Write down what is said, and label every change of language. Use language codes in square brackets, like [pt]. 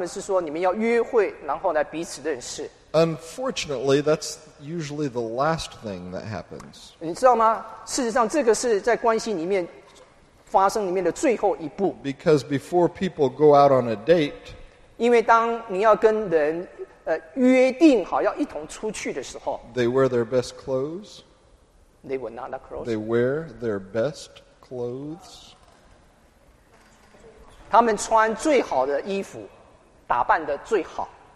[zh] 你知道在美国的文化里面呢，他们是说你们要约会，然后来彼此认识。 [en] Unfortunately, that's usually the last thing that happens. [zh] 你知道吗？事实上，这个是在关系里面。 [en] Because before people go out on a date, [zh] 因为当你要跟人约定好要一同出去的时候, [en] they wear their best clothes. They wear not that clothes. They wear their best clothes. [zh] 他们穿最好的衣服，打扮的最好.